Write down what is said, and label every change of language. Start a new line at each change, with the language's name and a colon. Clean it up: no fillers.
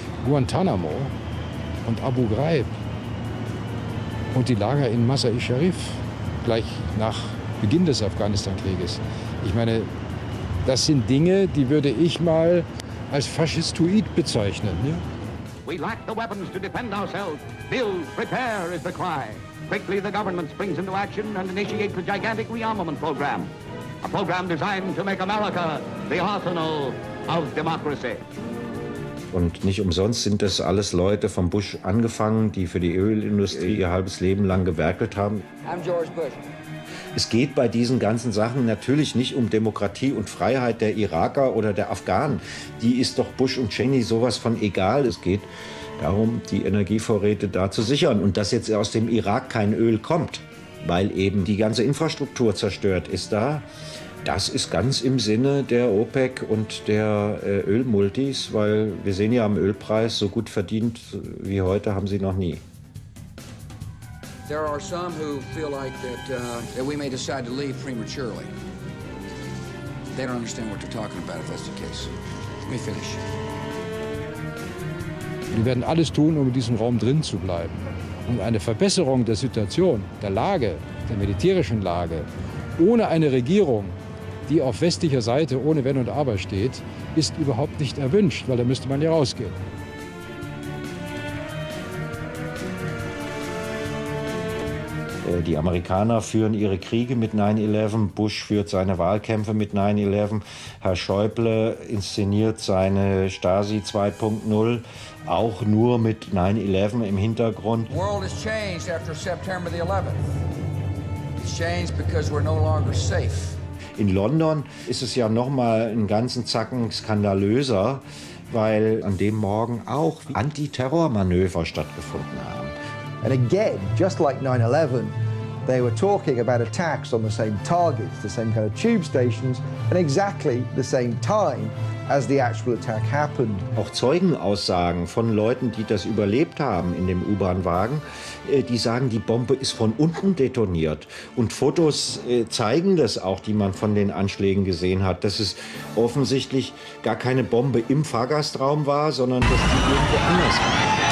German: Guantanamo und Abu Ghraib und die Lager in Mazar-i-Sharif gleich nach Beginn des Afghanistan-Krieges. Ich meine, das sind Dinge, die würde ich mal als faschistoid bezeichnen. Ja?
English: We lack the weapons to defend ourselves. Build, prepare is the cry. Quickly the government springs into action and initiates a gigantic rearmament program. A program designed to make America the arsenal of democracy.
German: Und nicht umsonst sind das alles Leute vom Bush angefangen, die für die Ölindustrie ihr halbes Leben lang gewerkelt haben.
English: I'm George Bush.
German: Es geht bei diesen ganzen Sachen natürlich nicht um Demokratie und Freiheit der Iraker oder der Afghanen. Die ist doch Bush und Cheney sowas von egal. Es geht darum, die Energievorräte da zu sichern. Und dass jetzt aus dem Irak kein Öl kommt, weil eben die ganze Infrastruktur zerstört ist da, Das ist ganz im Sinne der OPEC und der Ölmultis, weil wir sehen ja am Ölpreis, so gut verdient wie heute haben sie noch nie.
English: There are some who feel like that we may decide to leave prematurely. They don't understand what they're talking about if that's the case. Let me finish.
German: Wir werden alles tun, um in diesem Raum drin zu bleiben. Und eine Verbesserung der Situation, der Lage, der militärischen Lage, ohne eine Regierung, die auf westlicher Seite ohne Wenn und Aber steht, ist überhaupt nicht erwünscht, weil da müsste man ja rausgehen. Die Amerikaner führen ihre Kriege mit 9-11, Bush führt seine Wahlkämpfe mit 9-11, Herr Schäuble inszeniert seine Stasi 2.0 auch nur mit 9-11 im Hintergrund.
English: The world has changed after September the 11th. It's changed because we're no longer safe.
German: In London ist es ja noch mal einen ganzen Zacken skandalöser, weil an dem Morgen auch Antiterrormanöver stattgefunden haben.
English: And again, just like 9-11, they were talking about attacks on the same targets, the same kind of tube stations, and exactly the same time as the actual attack happened.
German: Auch Zeugenaussagen von Leuten, die das überlebt haben in dem U-Bahn-Wagen, die sagen, die Bombe ist von unten detoniert. Und Fotos zeigen das auch, die man von den Anschlägen gesehen hat, dass es offensichtlich gar keine Bombe im Fahrgastraum war, sondern dass die irgendwo anders war.